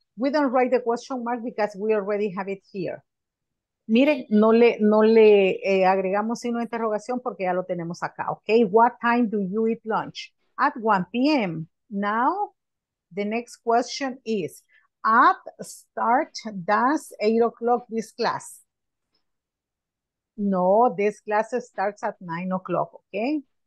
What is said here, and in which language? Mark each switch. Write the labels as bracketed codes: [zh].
[en] We don't write the question mark because we already have it here. [es] Miren, no le agregamos signo de interrogación porque ya lo tenemos acá, okay? [en] What time do you eat lunch? At 1 p.m. Now, the next question is, at start does 8 o'clock this class? No, this class starts at 9 o'clock, okay?